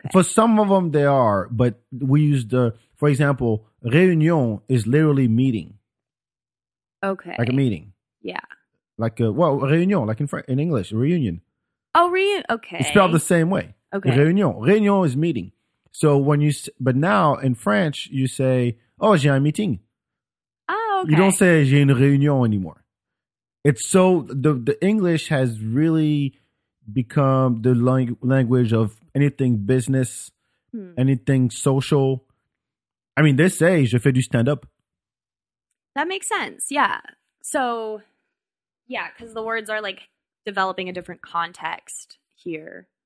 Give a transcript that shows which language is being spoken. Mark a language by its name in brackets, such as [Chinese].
[English] For some of them, they are, but we use the, for example, réunion is literally meeting. Okay. Like a meeting. Yeah. Like réunion, like in English, reunion. Oh, Réunion. Okay. It's spelled the same way. Okay. Réunion. Réunion is meeting. So when you, but now in French, you say, oh, [French] j'ai un meeting. [English] Oh, okay. You don't say [French] j'ai une réunion [English] anymore. It's so, the English has really become the language of anything business, anything social. I mean, they say, [French] je fais du stand-up. [English] That makes sense. Yeah. So, yeah, because the words are like developing a different context here.